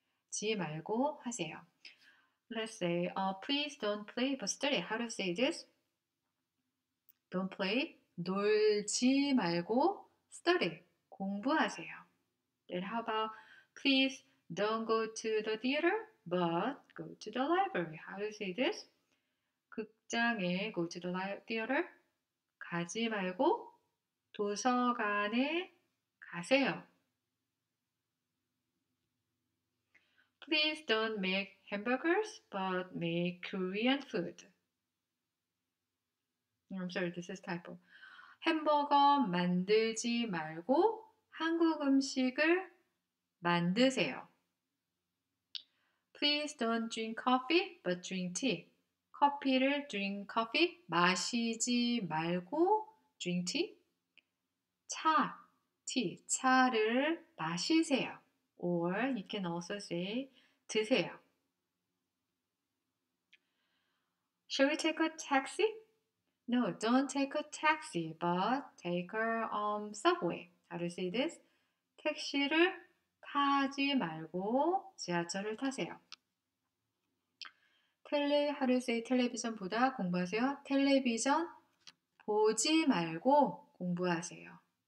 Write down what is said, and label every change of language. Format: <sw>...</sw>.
<ko>지 말고 하세요.</ko> <en>Let's say, please don't play but study. How to say this? Don't play,</en> <ko>놀지 말고</ko> <en>study,</en> <ko>공부하세요.</ko> <en>Then how about, please don't go to the theater but go to the library. How to say this? 극장에 go to the theater.</en> <ko>가지 말고 도서관에 가세요.</ko> <en>Please don't make hamburgers, but make Korean food. I'm sorry, this is typo.</en> <ko>햄버거 만들지 말고 한국 음식을 만드세요.</ko> <en>Please don't drink coffee, but drink tea. 커피를 drink coffee,</en> <ko>마시지 말고</ko> <en>drink tea.</en> <ko>차, tea, 차를 마시세요.</ko> <en>Or you can also say 드세요. Shall we take a taxi? No, don't take a taxi, but take a subway. How do you say this?</en> <ko>택시를 타지 말고 지하철을 타세요.</ko> <en>How do you say</en> <ko>텔레비전 보다 공부하세요? 텔레비전 보지 말고 공부하세요.</ko>